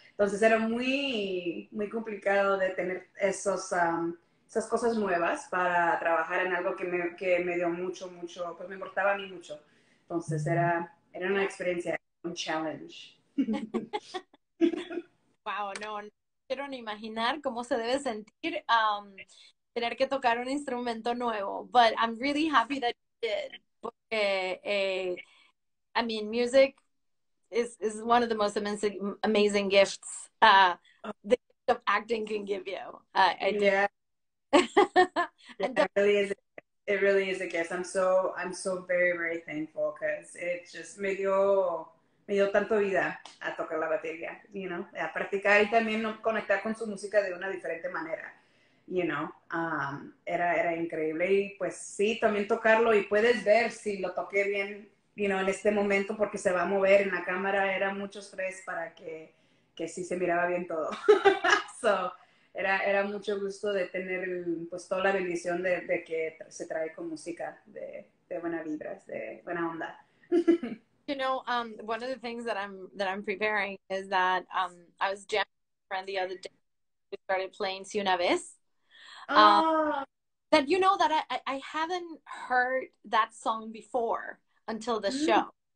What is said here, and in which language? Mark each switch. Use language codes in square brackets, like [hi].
[es] Entonces era muy, muy complicado de tener esas cosas nuevas para trabajar en algo que me dio mucho, mucho, pues me importaba a mí mucho. Entonces era una experiencia, un challenge. Wow, no quiero ni imaginar cómo se debe sentir tener que tocar un instrumento nuevo. [en] But I'm really happy that you did, [es] porque, [en] I mean, music is one of the most amazing gifts the gift of acting can give you. It really is a gift. I'm so very, very thankful, because it just [es] me dio tanto vida a tocar la batería, [en] you know, [es] a practicar y también conectar con su música de una diferente manera, you know. Era increíble, y pues sí, también tocarlo, y puedes ver si lo toqué bien, [en] you know, [es] en este momento, porque se va a mover en la cámara, era mucho estrés para que sí se miraba bien todo. So, era mucho gusto de tener, pues, toda la bendición de que se trae con música de buena vibra, de buena onda. [en] You know, one of the things that I'm preparing is that I was jamming with a friend the other day. We started playing Si Una Vez. That, you know, that I haven't heard that song before. Until the show.